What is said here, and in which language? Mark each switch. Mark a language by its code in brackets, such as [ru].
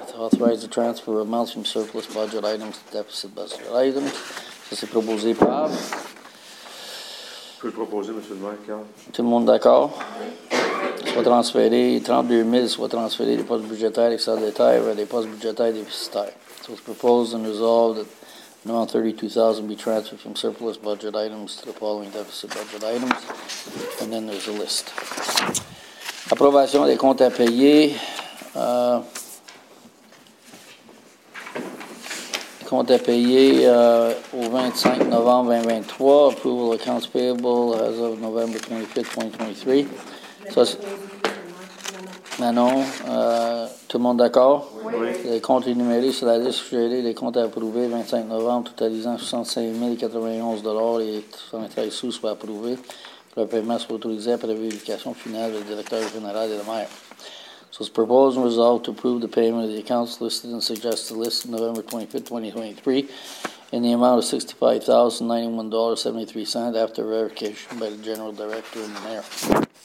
[en] To authorize the transfer of amounts from surplus budget items to deficit budget items. [fr] Ça, c'est proposé par. Je peux le proposer, M. le maire. Tout le monde d'accord? Soit transféré, 32 000 soit transféré des postes budgétaires solidaires vers les postes budgétaires déficitaires. [en] So it's proposed and resolved that an amount $32,000 be transferred from surplus budget items to the following deficit budget items. And then there's a list. [fr] Approbation des comptes à payer. Comptes à payer au 25 novembre 2023. [en] Approval of accounts payable as of November 25th, 2023. So [fr] Manon, tout le monde d'accord? Oui. Les comptes énumérés sur la liste suggérée, les comptes approuvés, 25 novembre, totalisant 65 091 $ et 73 sous, soit approuvé. Le paiement soit autorisé après vérification finale du directeur général et de la maire. [en] So it's proposed and resolved to approve the payment of the accounts listed and suggested list of November 25, 2023, in the amount of $65,091.73 after verification by the general director and the mayor.